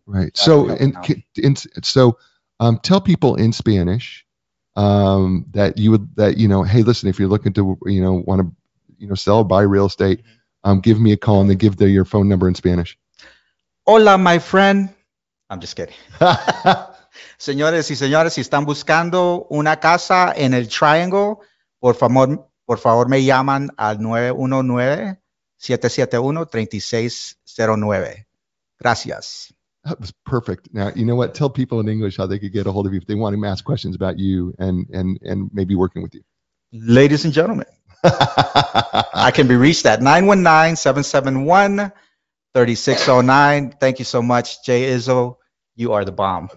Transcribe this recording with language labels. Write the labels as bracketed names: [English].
[English] Right. So tell people in Spanish that, hey, listen, if you're looking to, you know, want to, you know, sell or buy real estate, give me a call and then give your phone number in Spanish. Hola, my friend. I'm just kidding. [Spanish] Señores y señores, si están buscando una casa en el Triangle, por favor me llaman al 919-771-3609. Gracias. [English] That was perfect. Now, you know what? Tell people in English how they could get a hold of you if they want to ask questions about you and maybe working with you. Ladies and gentlemen, I can be reached at 919-771-3609. Thank you so much, Jay Izzo. You are the bomb.